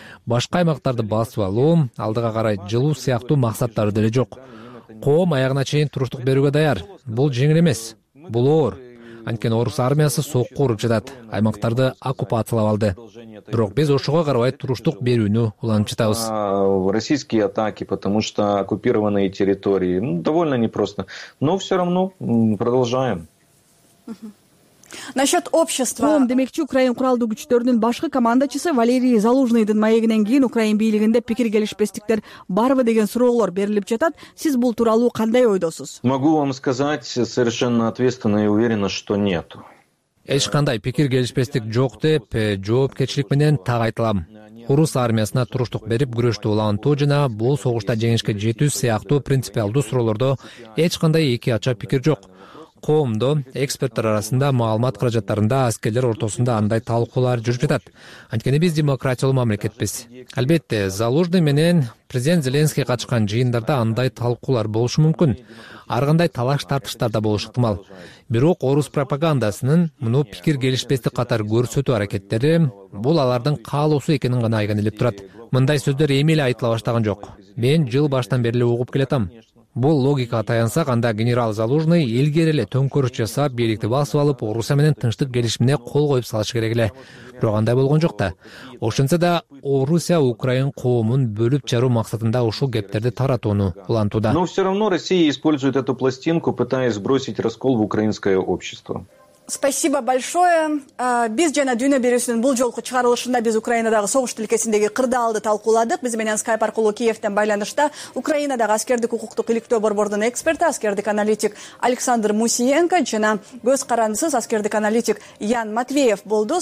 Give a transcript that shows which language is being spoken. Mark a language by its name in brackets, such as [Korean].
[Kyrgyz] Башка аймактарды басып алуу, алдыга карай жылуу сыяктуу максаттары деле жок. Коом аягына чейин туруштук берүүгө даяр. Бул жеңил эмес. Бул оор. Анткени орус армиясы сокку уруп жатат. Аймактарды оккупациялап алды. Бирок биз ошого карабай туруштук берүүнү уланып жатабыз. [Russian] Российские атаки, потому что оккупированные территории. Довольно непросто. Но все равно продолжаем. Насчет общества. [Kyrgyz] Коом демекчи Украин куралдуу күчтөрүнүн башкы командачысы Валерий Залужныйдын маегинен кийин Украин бийлигинде пикир келишпестиктер барбы деген суроолор берилип жатат. Сиз бул тууралуу кандай ойдосуз? [Russian] Могу вам сказать совершенно ответственно и уверенно, что нету. [Kyrgyz] Эч кандай пикир келишпестик жок деп жоопкерчилик менен так айтылам. Орус армиясына туруштук берип күрөштү улантуу жана бул согушта жеңишке жетүү сыяктуу принципиалдуу суроолордо эч кандай эки ача пикир жок. Коомдо, эксперттер арасында, маалымат каражаттарында, аскерлер ортосунда андай талкуулар жүрүп жатат. Анткени биз демократиялуу мамлекетпиз. Албетте, Залужный менен президент Зеленский катышкан жыйындарда андай талкуулар болушу мүмкүн. Ар кандай талаш тартыштар да болушу ыктымал. Бирок орус пропагандасынын муну пикир келишпестик катары көрсөтүү аракеттери бул алардын каалоосу экенин гана айгинелеп турат. Мындай сөздөр эми эле айтыла баштаган жок. Мен жыл баштан бери эле угуп келатам. Бул логикага таянсак, анда генерал Залужный илгери эле төңкөрүш жасап, бийликти басып алып, Орусия менен тынчтык келишимине кол коюп салышы керек эле. Бирок андай болгон жок да. Ошентсе да, Орусия Украин коомун бөлүп жаруу максатында ушул кептерди таратууну улантууда. [Russian] Но все равно Россия использует эту пластинку, пытаясь сбросить раскол в украинское общество. Спасибо большое. [Kyrgyz] Биз жана дүйнө берүүсүнүн бул жолку чыгарылышында биз Украинадагы согуш тилкесиндеги кырдаалды талкууладык. Биз менен Скайп аркылуу Киевтен байланышта Украинадагы аскердик укуктук иликтөө борбордун эксперти, аскердик аналитик Александр Мусиенко жана көз карандысыз аскердик аналитик Ян Матвеев болду.